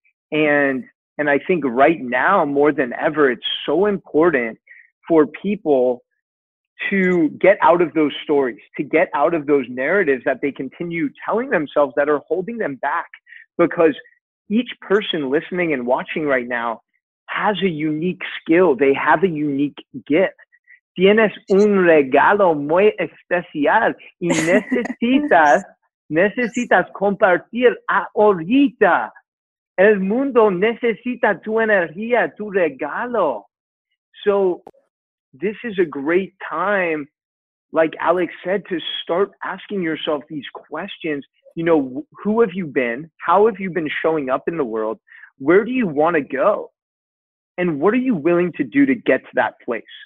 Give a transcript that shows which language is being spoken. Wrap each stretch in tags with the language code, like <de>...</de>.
<en>And I think right now, more than ever, it's so important for people to get out of those stories, to get out of those narratives that they continue telling themselves that are holding them back. Because each person listening and watching right now has a unique skill. They have a unique gift.</en> <es>Tienes un regalo muy especial y necesitas compartir ahorita. El mundo necesita tu energía, tu regalo.</es> <en>So this is a great time, like Alex said, to start asking yourself these questions. You know, who have you been? How have you been showing up in the world? Where do you want to go? And what are you willing to do to get to that place?</en>